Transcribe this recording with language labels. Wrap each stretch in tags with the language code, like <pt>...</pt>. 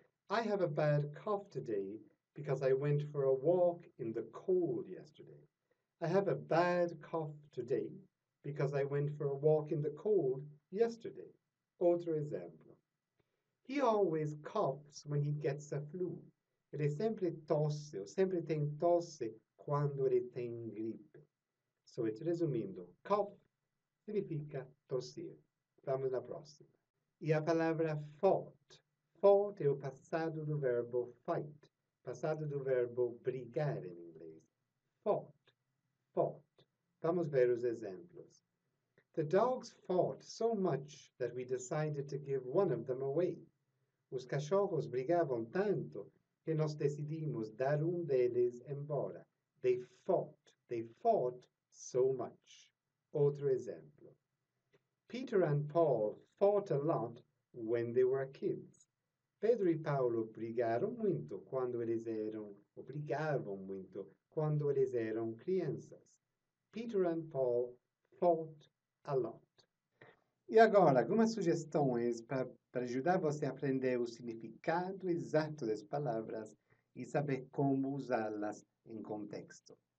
<en>I have a bad cough today because I went for a walk in the cold yesterday. I have a bad cough today because I went for a walk in the cold yesterday.</en> <pt>Outro exemplo.</pt> <en>He always coughs when he gets a flu.</en> <pt>Ele sempre tosse, ou sempre tem tosse quando ele tem gripe.</pt> <en>So it's</en> <pt>resumindo, cough significa tossir. Vamos na próxima. E a palavra fought. Fought é o passado do verbo fight. Passado do verbo brigar em inglês. Fought. Fought. Vamos ver exemplos.</pt> <en>The dogs fought so much that we decided to give one of them away.</en> <pt>Os cachorros brigavam tanto que nós decidimos dar deles embora.</pt> <en>They fought. They fought so much.</en> <pt>Outro exemplo.</pt> <en>Peter and Paul fought a lot when they were kids.</en> <pt>Pedro e Paulo brigaram muito quando brigavam muito quando eles eram crianças.</pt> <en>Peter and Paul fought a lot.</en> <pt>E agora, algumas sugestões para ajudar você a aprender o significado exato das palavras e saber como usá-las em contexto.</pt>